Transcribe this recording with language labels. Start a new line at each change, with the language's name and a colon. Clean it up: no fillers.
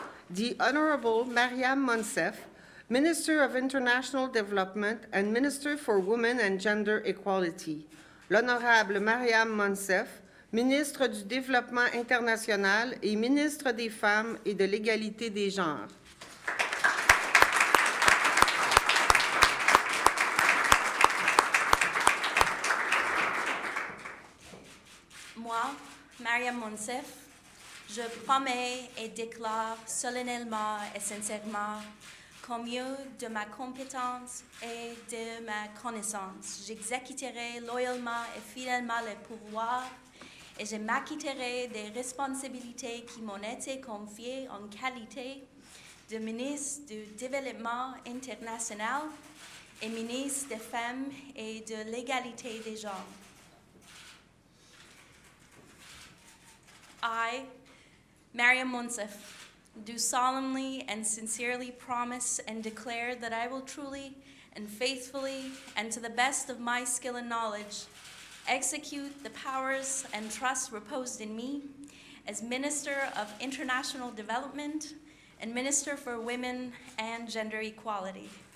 English: The Honorable Maryam Monsef, Minister of International Development and Minister for Women and Gender Equality.
French: L'Honorable Maryam Monsef, Ministre du Développement International et Ministre des Femmes et de l'Égalité des Genres. Moi, Maryam Monsef, je promets et déclare solennellement et sincèrement qu'au mieux de ma compétence et de ma connaissance, j'exécuterai loyalement et fidèlement les pouvoirs et je m'acquitterai des responsabilités qui m'ont été confiées en qualité de ministre du Développement international et ministre des Femmes et de l'Égalité des Genres.
English: I, Maryam Monsef, do solemnly and sincerely promise and declare that I will truly and faithfully and to the best of my skill and knowledge execute the powers and trust reposed in me as Minister of International Development and Minister for Women and Gender Equality.